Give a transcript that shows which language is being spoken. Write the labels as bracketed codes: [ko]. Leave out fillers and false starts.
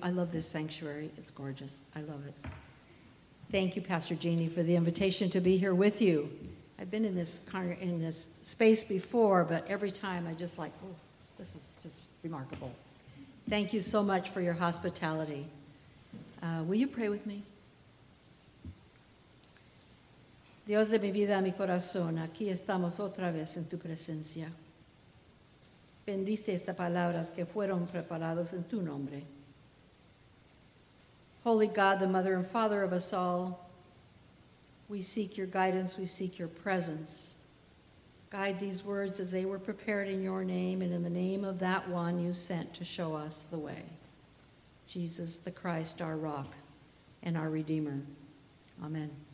[en] I love this sanctuary. It's gorgeous. I love it. Thank you, Pastor Jeannie, for the invitation to be here with you. I've been in this space before, but every time I just like, oh, this is just remarkable. Thank you so much for your hospitality. Will you pray with me? [es] Dios de mi vida, mi corazón, aquí estamos otra vez en tu presencia. Bendiste estas palabras que fueron preparados en tu nombre. [en] Holy God, the mother and father of us all, we seek your guidance, we seek your presence. Guide these words as they were prepared in your name and in the name of that one you sent to show us the way. Jesus the Christ, our rock and our redeemer. Amen.